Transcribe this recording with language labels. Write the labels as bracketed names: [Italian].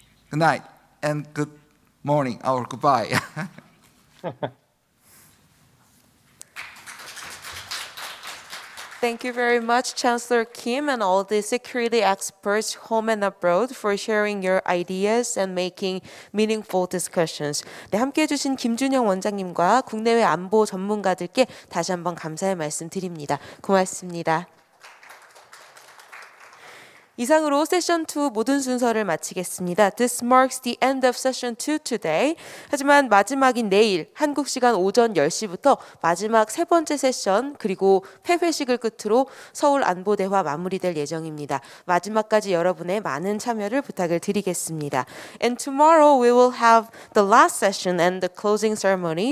[English] Good night and good morning, or goodbye. Thank you very much, Chancellor Kim, and all the security experts home and abroad for sharing your ideas and making meaningful discussions. [Korean] 네, 함께해 주신 김준영 원장님과 국내외 안보 전문가들께 다시 한번 감사의 말씀 드립니다. 고맙습니다. 이상으로 세션 2 모든 순서를 마치겠습니다. [English] This marks the end of session 2 today. [Korean] 하지만 마지막인 내일 한국 시간 오전 10시부터 마지막 세 번째 세션 그리고 폐회식을 끝으로 서울 안보대화 마무리될 예정입니다. 마지막까지 여러분의 많은 참여를 부탁을 드리겠습니다. [English] And tomorrow we will have the last session and the closing ceremony.